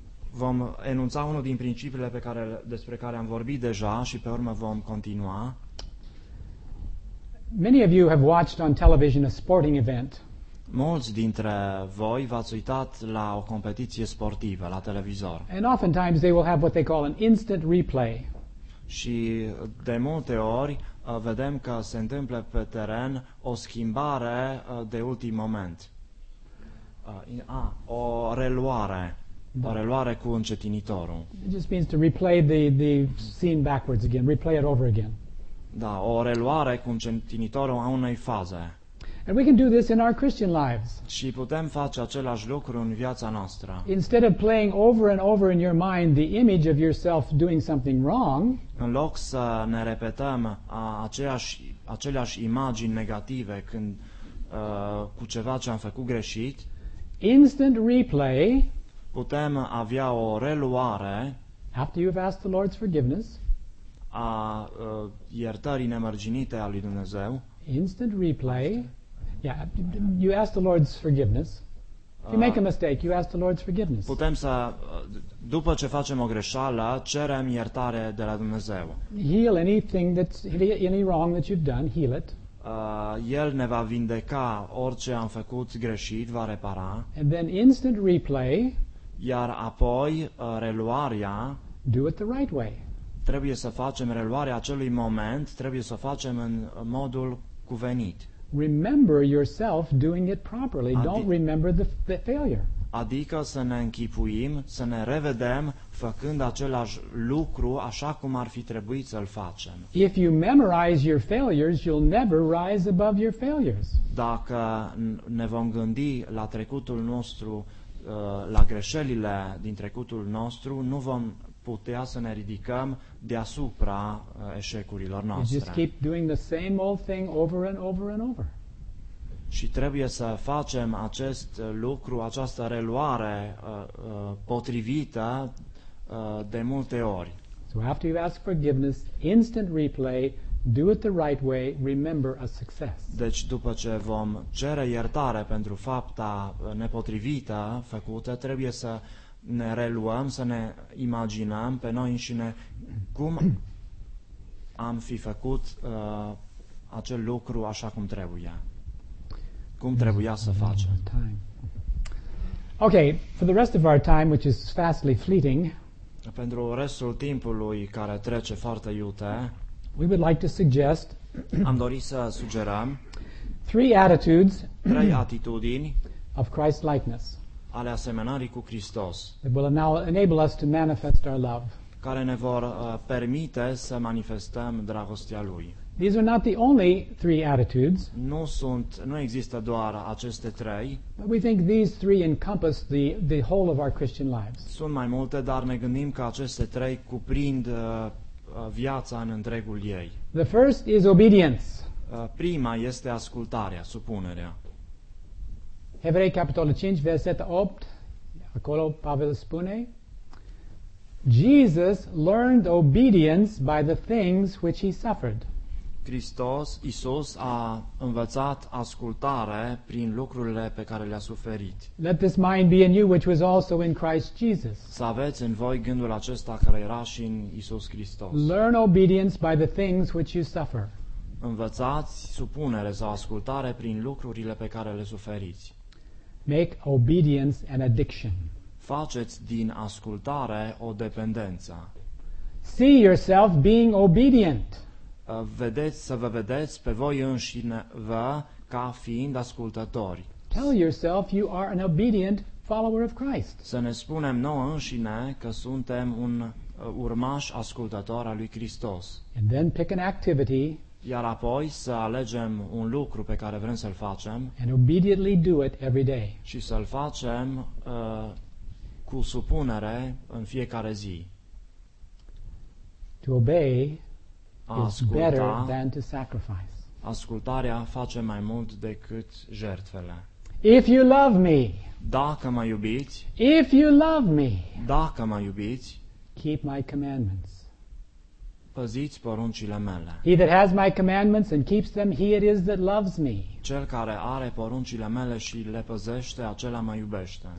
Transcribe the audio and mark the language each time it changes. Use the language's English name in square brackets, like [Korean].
[Romanian] Vom enunța unul din principiile despre care am vorbit deja și pe urmă vom continua. [English] Many of you have watched on television a sporting event. [Romanian] Mulți dintre voi v-ați uitat la o competiție sportivă la televizor. [English] And oftentimes they will have what they call an instant replay. [Romanian] Și de multe ori vedem că se întâmplă pe teren o schimbare de ultim moment. O reluare. O reluare cu încetinitorul. [English] It just means to replay the scene backwards again, replay it over again. [Romanian] Da, o reluare cu încetinitorul a unei faze. [English] And we can do this in our Christian lives. [Romanian] Și putem face același lucru în viața noastră. [English] Instead of playing over and over in your mind the image of yourself doing something wrong, [Romanian] în loc să ne repetăm aceleași imagini negative când cu ceva ce am făcut greșit, [English] instant replay, [Romanian] putem avea o reluare [English] after you've asked the Lord's forgiveness, [Romanian] a iertării nemărginite a lui Dumnezeu. [English] Instant replay. Yeah, you ask the Lord's forgiveness. If you make a mistake, you ask the Lord's forgiveness. [Romanian] Putem să, după ce facem o greșeală, cerem iertare de la Dumnezeu. [English] Heal anything that's any wrong that you've done, heal it. [Romanian] El ne va vindeca orice am făcut greșit, va repara. [English] And then instant replay. [Romanian] Iar apoi reluarea. [English] Do it the right way. [Romanian] Trebuie să facem reluarea acelui moment, trebuie să facem în modul cuvenit. [English] Remember yourself doing it properly. Don't remember the failure. [Romanian] Adică să ne închipuim, să ne revedem făcând același lucru așa cum ar fi trebuit să-l facem. [English] If you memorize your failures, you'll never rise above your failures. [Romanian] Dacă ne vom gândi la trecutul nostru, la greșelile din trecutul nostru, nu vom putea să ne ridicăm deasupra eșecurilor noastre. [English] You just keep doing the same old thing over and over and over. [Romanian] Și trebuie să facem acest lucru, această reluare potrivită de multe ori. [English] So after you ask forgiveness, instant replay, do it the right way, remember a success. [Romanian] Deci după ce vom cere iertare pentru fapta nepotrivită făcută, trebuie să ne reluăm, să ne imaginăm pe noi înșine cum am fi făcut acel lucru așa cum trebuia. Cum trebuia să facem. [English] Okay, for the rest of our time, which is fastly fleeting, [Romanian] pentru restul timpului care trece foarte iute, [English] we would like to suggest, [Romanian] am dorit să sugerăm, [English] three attitudes, [Romanian] trei atitudini, [English] of Christ-likeness, [Romanian] ale asemănării cu Hristos, [English] that will now enable us to manifest our love, [Romanian] care ne vor permite să manifestăm dragostea Lui. [English] These are not the only three attitudes. [Romanian] Nu există doar aceste trei. [English] But we think these three encompass the whole of our Christian lives. [Romanian] Sunt mai multe, dar ne gândim că aceste trei cuprind viața în întregul ei. [English] The first is obedience. [Romanian] Prima este ascultarea, supunerea. Evrei capitolul 5, versetul 8, acolo Pavel spune, [English] Jesus learned obedience by the things which he suffered. [Romanian] Hristos, Iisus, a învățat ascultare prin lucrurile pe care le-a suferit. [English] Let this mind be in you, which was also in Christ Jesus. [Romanian] Să aveți în voi gândul acesta care era și în Iisus Hristos. [English] Learn obedience by the things which you suffer. [Romanian] Învățați supunere sau ascultare prin lucrurile pe care le suferiți. [English] Make obedience an addiction. [Romanian] Faceți din ascultare o dependență. [English] See yourself being obedient. [Romanian] Vedeți pe voi înșine vă ca fiind ascultători. [English] Tell yourself you are an obedient follower of Christ. [Romanian] Să ne spunem noi înșine că suntem un urmaș ascultător al lui Hristos. [English] And then pick an activity. [Romanian] Iar apoi să alegem un lucru pe care vrem să-l facem. [English] And obediently do it every day. [Romanian] Și să-l facem cu supunere în fiecare zi. [English] To obey is better than to sacrifice. [Romanian] Ascultarea face mai mult decât jertfele. [English] If you love me, [Romanian] dacă mă iubiți, [English] if you love me, [Romanian] dacă mă iubiți, [English] keep my commandments. [Romanian] Păziți poruncile mele. [English] He that has my commandments and keeps them, he it is that loves me. [Romanian] Cel care are poruncile mele și le păzește, acela mă iubește.